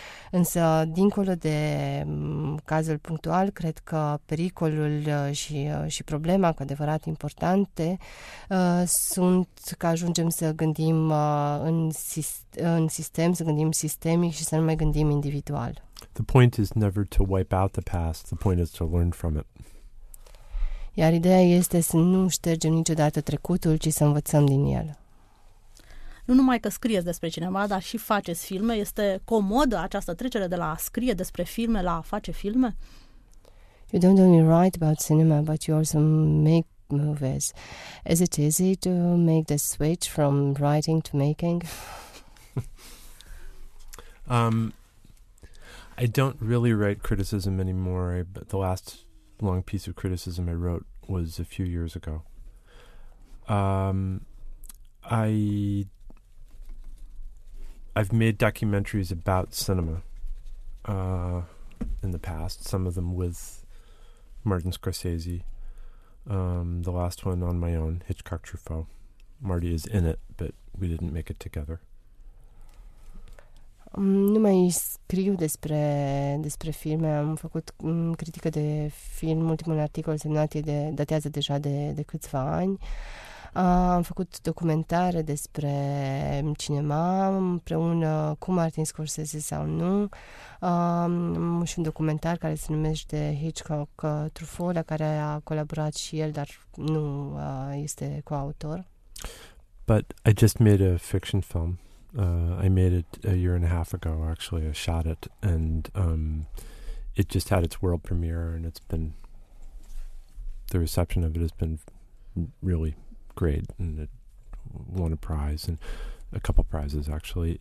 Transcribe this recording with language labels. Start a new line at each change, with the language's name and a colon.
Romanian: Însă, dincolo de cazul punctual, cred că pericolul și problema cu adevărat importante sunt că ajungem să gândim în sistem, să gândim sistemic și să nu mai gândim individual.
English: The point is never to wipe out the past, the point is to learn from it.
Romanian: Iar ideea este să nu ștergem niciodată trecutul, ci să învățăm din el. Nu numai că scrieți despre cinema, dar și faceți filme. Este comodă această trecere de la a scrie despre filme la a face filme?
English: You don't only write about cinema, but you also make movies. Is it easy to make the switch from writing to making? I don't really write criticism anymore, but the last long piece of criticism I wrote was a few years ago. I've made documentaries about cinema in the past, some of them with Martin Scorsese. The last one on my own, Hitchcock Truffaut. Marty is in it, but we didn't make it together.
Romanian: Nu mai scriu despre filme. Am făcut critică de film. Ultimul articol semnat datează deja de câțiva ani. Am făcut documentare despre cinema împreună cu Martin Scorsese sau nu. Am și un documentar care se numește Hitchcock Truffaut, la care a colaborat și el, dar nu este coautor.
English: But I just made a fiction film. I made it a year and a half ago, actually. I shot it, and it just had its world premiere, and the reception of it has been really great, and it won a prize, and a couple prizes, actually.